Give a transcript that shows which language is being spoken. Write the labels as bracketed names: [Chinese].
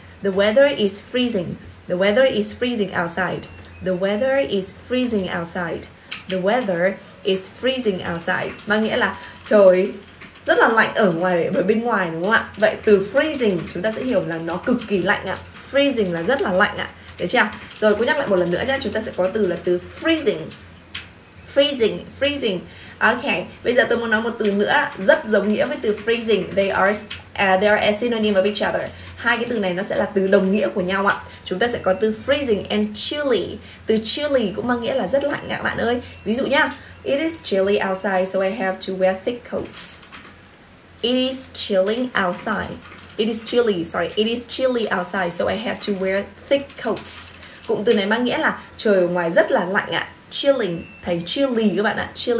[English] The weather is freezing. The weather is freezing outside. The weather is freezing outside. The weather is freezing outside. [Vietnamese] Mang nghĩa là trời rất là lạnh ở ngoài ở bên ngoài đúng không ạ? Vậy từ freezing chúng ta sẽ hiểu là nó cực kỳ lạnh ạ. Freezing là rất là lạnh ạ. Được chưa? Rồi cô nhắc lại một lần nữa nha, chúng ta sẽ có từ là từ freezing. Freezing, freezing. Ok, bây giờ tôi muốn nói một từ nữa rất giống nghĩa với từ freezing. [English] They are a synonym of each other. [Vietnamese] Hai cái từ này nó sẽ là từ đồng nghĩa của nhau ạ. Chúng ta sẽ có từ freezing and chilly. Từ chilly cũng mang nghĩa là rất lạnh ạ bạn ơi. Ví dụ nhá. [English] It is chilly outside so I have to wear thick coats. It is chilling outside. It is chilly outside so I have to wear thick coats. [Vietnamese] Cụm từ này mang nghĩa là trời ở ngoài rất là lạnh ạ. Chilling thành chilly các bạn ạ.